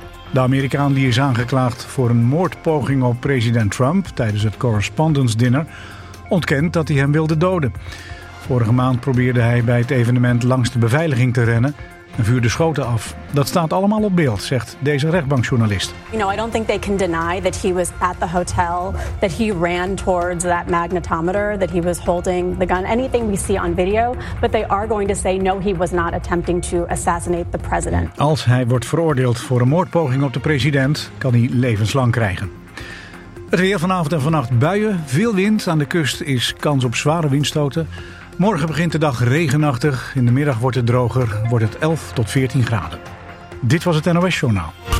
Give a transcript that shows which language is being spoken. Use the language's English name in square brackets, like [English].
[Dutch] De Amerikaan die is aangeklaagd voor een moordpoging op president Trump tijdens het Correspondents' Dinner ontkent dat hij hem wilde doden. Vorige maand probeerde hij bij het evenement langs de beveiliging te rennen en vuurde schoten af. Dat staat allemaal op beeld, zegt deze rechtbankjournalist. [English] You know, I don't think they can deny that he was at the hotel, that he ran towards that magnetometer, that he was holding the gun. Anything we see on video, but they are going to say no, he was not attempting to assassinate the president. [Dutch] Als hij wordt veroordeeld voor een moordpoging op de president, kan hij levenslang krijgen. Het weer vanavond en vannacht buien, veel wind aan de kust is kans op zware windstoten. Morgen begint de dag regenachtig. In de middag wordt het droger. Wordt het 11 tot 14 graden. Dit was het NOS Journaal.